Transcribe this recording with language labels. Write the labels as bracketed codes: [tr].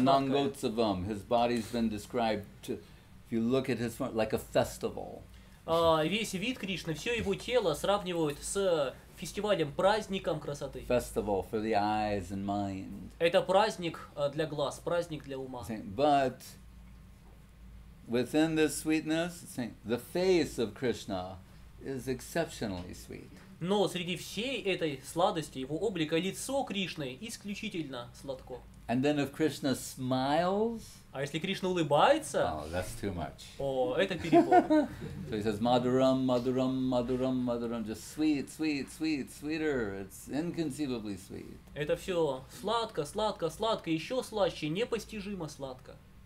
[en] Anangotsavam, his body's been described to, if you look at his form, like a festival. [ru] Весь вид Кришны, все его тело сравнивают с фестивалем, праздником красоты. [en] Festival for the eyes and mind. [ru] Это праздник для глаз, праздник для ума. [en] But within this sweetness, the face of Krishna is exceptionally sweet. [ru] Но среди всей этой сладости его облика лицо Кришны исключительно сладко. [en] And then if Krishna smiles, [ru] а если Кришна улыбается, [en] oh, that's too much. [ru] О, это перебор. [en] So he says, [sa] madhuram, madhuram, madhuram, madhuram, [en] just sweet, sweet, sweet, sweeter, it's inconceivably sweet. [ru] Это все сладко, сладко, сладко, еще слаще, непостижимо сладко.